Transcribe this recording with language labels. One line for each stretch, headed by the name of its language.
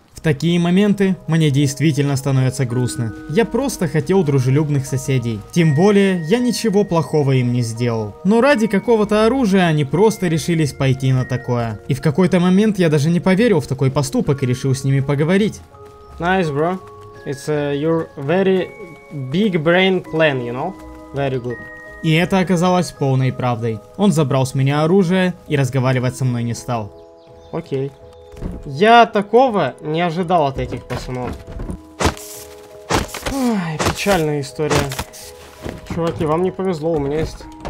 Russian: В такие моменты мне действительно становится грустно. Я просто хотел дружелюбных соседей. Тем более, я ничего плохого им не сделал. Но ради какого-то оружия они просто решились пойти на такое. И в какой-то момент я даже не поверил в такой поступок и решил с ними поговорить.
English: Nice, bro. It's your very big brain plan, you know? Very good.
Russian: И это оказалось полной правдой. Он забрал с меня оружие и разговаривать со мной не стал. Окей. Я такого не ожидал от этих пацанов. Ой, печальная история. Чуваки, вам не повезло, у меня есть...